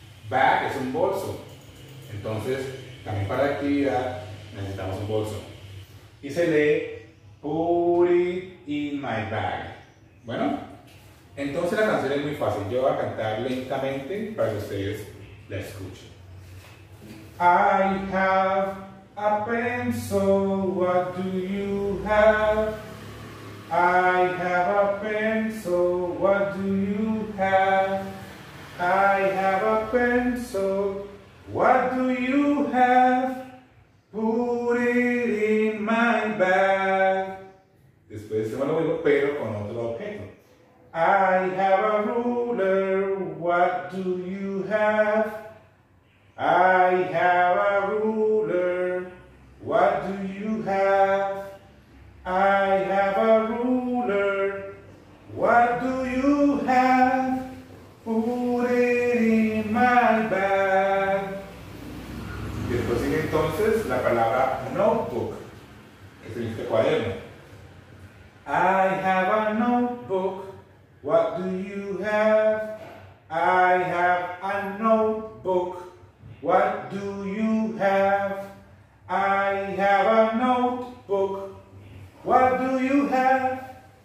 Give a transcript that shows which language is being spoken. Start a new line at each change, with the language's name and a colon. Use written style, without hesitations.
Spanish: Bag es un bolso. Entonces, también para la actividad necesitamos un bolso. Y se lee,
English: put it in my bag.
Spanish: Bueno, entonces la canción es muy fácil. Yo voy a cantar lentamente para que ustedes la escuchen.
English: I have a pencil, what do you have? I have a pencil, what do you have? I have a pencil, what do you have? Put it in my bag.
Spanish: Después se me lo digo, pero con otro objeto.
English: I have a ruler, what do you have? I have a ruler, what do you have? I have a ruler, what do you have? Put it in my bag.
Spanish: Después sigue entonces la palabra notebook, que significa cuaderno.
English: I have a notebook, what do you have? I have a notebook, what do you have? I have a notebook, what do you have?